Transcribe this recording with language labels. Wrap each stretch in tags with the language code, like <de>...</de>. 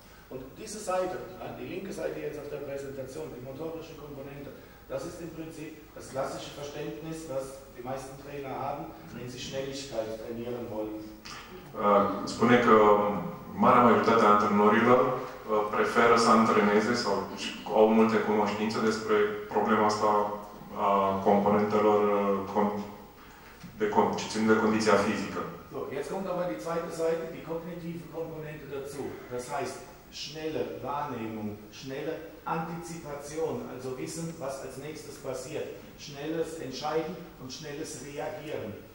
<de>Und diese Seite, die linke Seite jetzt auf der Präsentation, die motorische Komponente, das ist im Prinzip das klassische Verständnis, das die meisten Trainer haben, wenn sie Schnelligkeit trainieren wollen.</de> <ro>Spune că marea majoritate a antrenorilor preferă să antreneze sau au multe cunoștințe despre problema asta a componentelor de condiția fizică.</ro> <de>So, jetzt kommt aber die zweite Seite, die kognitive Komponente dazu. Das heißt, schnelle Wahrnehmung, schnelle Antizipation, also wissen, was als nächstes passiert, schnelles Entscheiden und schnelles Reagieren.</de>